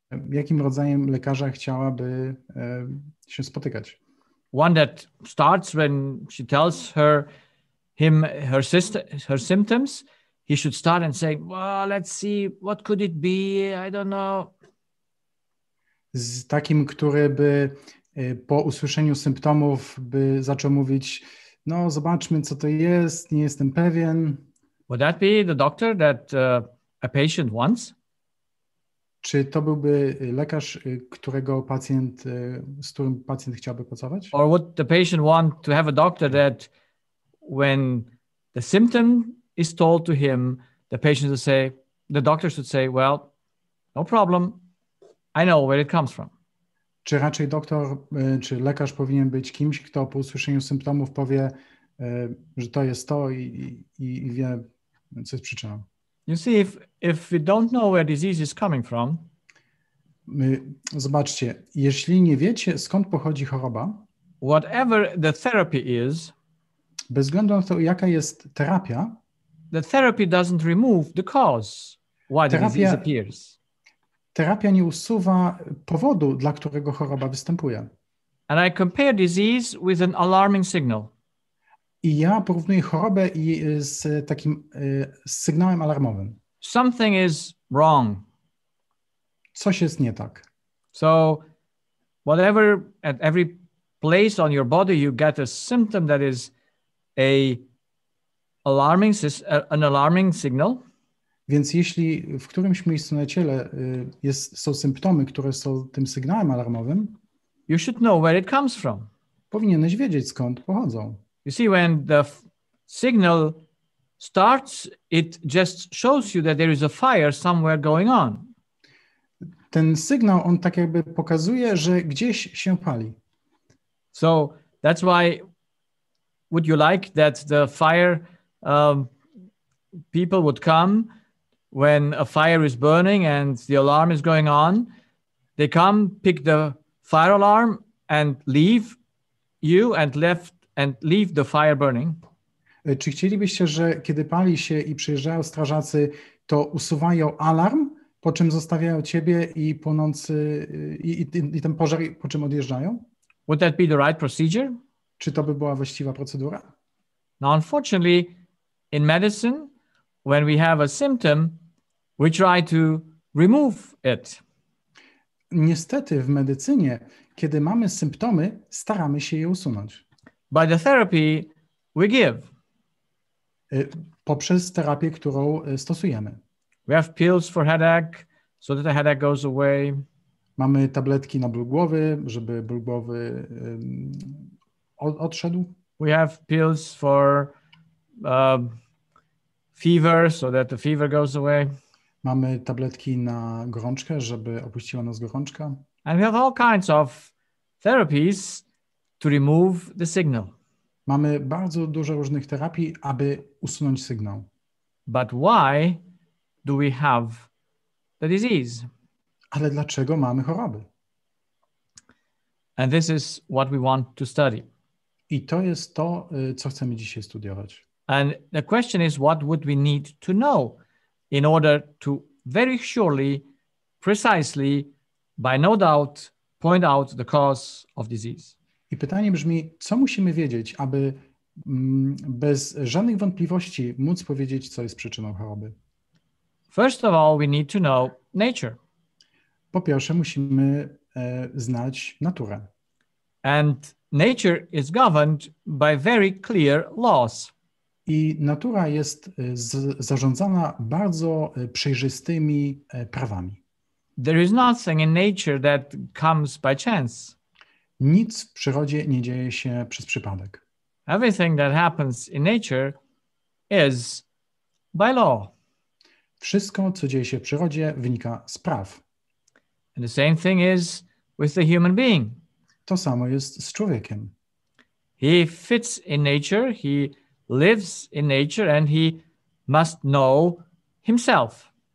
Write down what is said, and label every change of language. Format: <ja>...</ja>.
<pl>Jakim rodzajem lekarza chciałaby się spotykać?</pl> <en>One that starts when she tells her him her sister her symptoms, he should start and say, well, let's see, what could it be? I don't know.</en> <pl>Z takim, który by po usłyszeniu symptomów by zaczął mówić, no zobaczmy, co to jest, nie jestem pewien.</pl> <en>Would that be the doctor that a patient wants?</en> <pl>Czy to byłby lekarz, którego pacjent, z którym pacjent chciałby pracować?</pl> <en>Or would the patient want to have a doctor that when the symptom is told to him, the patient would say, the doctor should say, well, no problem. I know where it comes from.</en> <pl>Czy raczej doktor, czy lekarz powinien być kimś, kto po usłyszeniu symptomów powie, że to jest to i wie, co jest przyczyną?</pl> <en>You see, if we don't know where disease is coming from,</en> <pl>zobaczcie, jeśli nie wiecie, skąd pochodzi choroba,</pl> <en>whatever the therapy is,</en> <pl>bez względu na to, jaka jest terapia,</pl> <en>the therapy doesn't remove the cause why the disease appears.</en> <pl>Terapia nie usuwa powodu, dla którego choroba występuje.</pl> <en>And I compare disease with an alarming signal.</en> <pl>I ja porównuję chorobę z takim sygnałem alarmowym.</pl> <en>Something is wrong.</en> <pl>Coś jest nie tak.</pl> <en>So whatever at every place on your body you get a symptom that is an alarming signal.</en> <pl>Więc jeśli w którymś miejscu na ciele są symptomy, które są tym sygnałem alarmowym,</pl> <en>you should know where it comes from.</en> <pl>Powinieneś wiedzieć, skąd pochodzą.</pl> <en>You see, when the signal starts, it just shows you that there is a fire somewhere going on.</en> <pl>Ten sygnał, on tak jakby pokazuje, że gdzieś się pali.</pl> <en>So that's why would you like that the fire people would come when a fire is burning and the alarm is going on. They come, pick the fire alarm and leave you and left and leave the fire burning.</en> <pl>Czy chcielibyście, że kiedy pali się i przyjeżdżają strażacy, to usuwają alarm, po czym zostawiają ciebie i płonący i ten pożar, po czym odjeżdżają?</pl> <en>Would that be the right procedure?</en> <pl>Czy to by była właściwa procedura?</pl> <en>Now, unfortunately, in medicine, when we have a symptom, we try to remove it.</en> <pl>Niestety w medycynie, kiedy mamy symptomy, staramy się je usunąć.</pl> <en>By the therapy we give.</en> <pl>Poprzez terapię, którą stosujemy.</pl> <en>We have pills for headache, so that the headache goes away.</en> <pl>Mamy tabletki na ból głowy, żeby ból głowy odszedł.</pl> <en>We have pills for fever, so that the fever goes away.</en> <pl>Mamy tabletki na gorączkę, żeby opuściła nas gorączka.</pl> <en>And we have all kinds of therapies to remove the signal.</en> <pl>Mamy bardzo dużo różnych terapii, aby usunąć sygnał.</pl> <en>But why do we have the disease?</en> <pl>Ale dlaczego mamy choroby?</pl> <en>And this is what we want to study.</en> <pl>I to jest to, co chcemy dzisiaj studiować.</pl> <en>And the question is, what would we need to know in order to very surely, precisely, by no doubt, point out the cause of disease?</en> <pl>I pytanie brzmi, co musimy wiedzieć, aby bez żadnych wątpliwości móc powiedzieć, co jest przyczyną choroby?</pl> <en>First of all, we need to know nature.</en> <pl>Po pierwsze, musimy znać naturę.</pl> <en>And nature is governed by very clear laws.</en> <pl>I natura jest zarządzana bardzo przejrzystymi prawami.</pl> <en>There is nothing in nature that comes by chance.</en> <pl>Nic w przyrodzie nie dzieje się przez przypadek.</pl> <en>Everything that happens in nature is by law.</en> <pl>Wszystko, co dzieje się w przyrodzie, wynika z praw.</pl> <en>And the same thing is with the human being.</en> <pl>To samo jest z człowiekiem.</pl> <en>He fits in nature, he lives in nature and he must know himself.</en>